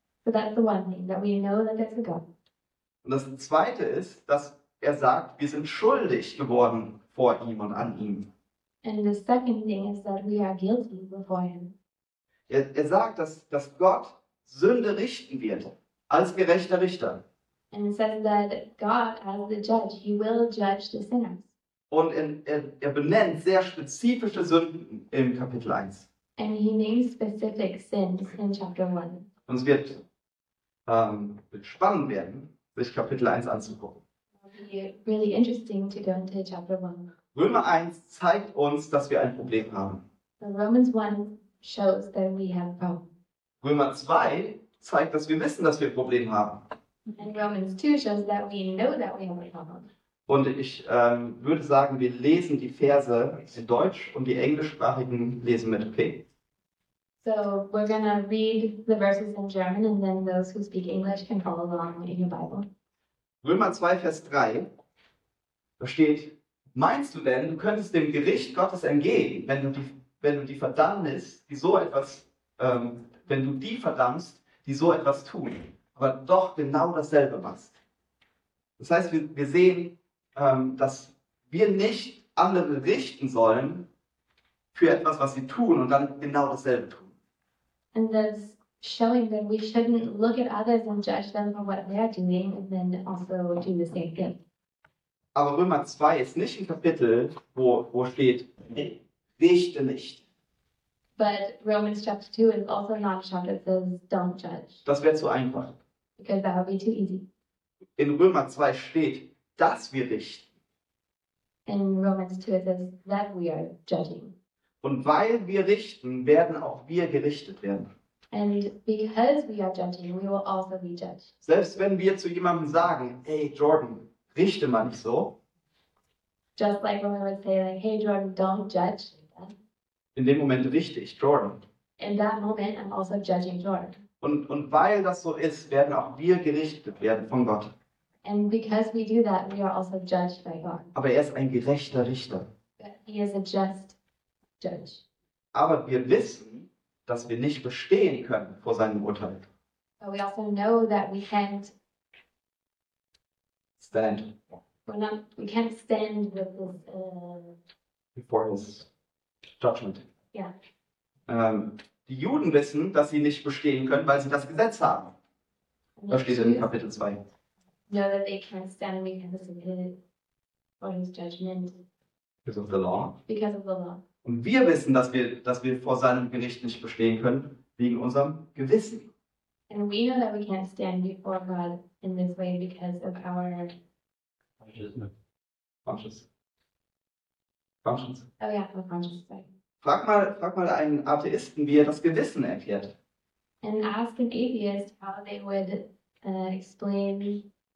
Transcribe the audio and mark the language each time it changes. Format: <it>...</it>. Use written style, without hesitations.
<en>So that's the one thing, that we know that there's a God.</en> <de>Und das zweite ist, dass er sagt, wir sind schuldig geworden vor ihm und an ihm.</de> <en>And the second thing is that we are guilty before him.</en> <de>Er sagt, dass Gott Sünde richten wird, als gerechter Richter.</de> <en>And it says that God, as the judge, he will judge the sinners.</en> <de>Und er benennt sehr spezifische Sünden im Kapitel 1.</de> <en>And he names specific sins in chapter 1.</en> <de>Und es wird spannend werden, sich Kapitel 1 anzugucken.</de> <en>It'll be really interesting to go into chapter 1.</en> <de>Römer 1 zeigt uns, dass wir ein Problem haben.</de> <en>So Romans 1 shows that we have a problem.</en> <de>Römer 2 zeigt, dass wir wissen, dass wir ein Problem haben.</de> <en>And Romans 2 shows that we know that we have a problem.</en> <de>Und ich würde sagen, wir lesen die Verse in Deutsch und die Englischsprachigen lesen mit P.</de> <en>So we're gonna read the verses in German and then those who speak English can follow along in your Bible.</en> <de>Römer 2, Vers 3, da steht, meinst du denn, du könntest dem Gericht Gottes entgehen, wenn du die verdammst, die so etwas tun, aber doch genau dasselbe machst? Das heißt, wir sehen, dass wir nicht andere richten sollen für etwas, was sie tun und dann genau dasselbe tun.</de> <en>And that's showing that we shouldn't look at others and judge them for what they are doing and then also do the same thing.</en> <de>Aber Römer 2 ist nicht ein Kapitel, wo steht, richte nicht.</de> <en>But Romans chapter 2 is also not a chapter that says, don't judge.</en> <de>Das wäre zu einfach.</de> <en>Because that would be too easy.</en> <de>In Römer 2 steht, dass wir richten.</de> <en>In Romans 2 it says that we are judging.</en> <de>Und weil wir richten, werden auch wir gerichtet werden.</de> <en>And because we are judging, we will also be judged.</en> <de>Selbst wenn wir zu jemandem sagen, hey Jordan, richte mal nicht so.</de> <en>Just like when we would say, like, hey Jordan, don't judge.</en> <de>In dem Moment richte ich Jordan.</de> <en>In that moment, I'm also judging Jordan.</en> <de>Und weil das so ist, werden auch wir gerichtet werden von Gott.</de> <en>And because we do that, we are also judged by God.</en> <de>Aber er ist ein gerechter Richter.</de> <en>He is a just judge.</en> <de>Aber wir wissen, dass wir nicht bestehen können vor seinem Urteil.</de> <en>But we also know that we can't stand. We can't stand with this, before his judgment. Yeah.</en> <de>Die Juden wissen, dass sie nicht bestehen können, weil sie das Gesetz haben. Das steht in Kapitel 2.</de> <en>Know that they can't stand because of his judgment. Because of the law. Because of the law.</en> <de>Und wir wissen, dass wir vor seinem Gericht nicht bestehen können, wegen unserem Gewissen.</de> <en>And we know that we can't stand before God in this way because of our conscience. Oh yeah, our conscience, sorry.</en> <de>Frag mal einen Atheisten, wie er das Gewissen erklärt.</de> <en>And ask an atheist how they would explain</en>